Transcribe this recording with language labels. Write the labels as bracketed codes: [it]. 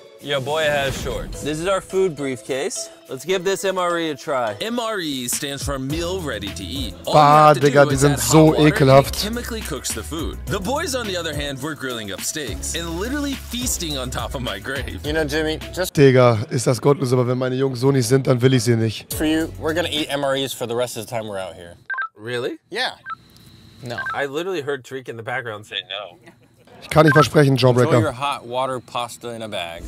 [en] Your boy has shorts. This is our food briefcase. Let's give this MRE a try. MRE stands for meal ready to eat. [de] Bah, Digga, die sind so ekelhaft. [en] Chemically cooks the food. The boys, on the other hand, were grilling up steaks and literally feasting on top of my grave. You know, Jimmy, just... [de] Digga, ist das gottlos, aber wenn meine Jungs so nicht sind, dann will ich sie nicht. [en] For you, we're gonna eat MREs for the rest of the time we're out here. Really? Yeah. No. I literally heard Tariq in the background say no. [de] Ich kann nicht versprechen, Jawbreaker. [en] Enjoy your hot water pasta in a bag.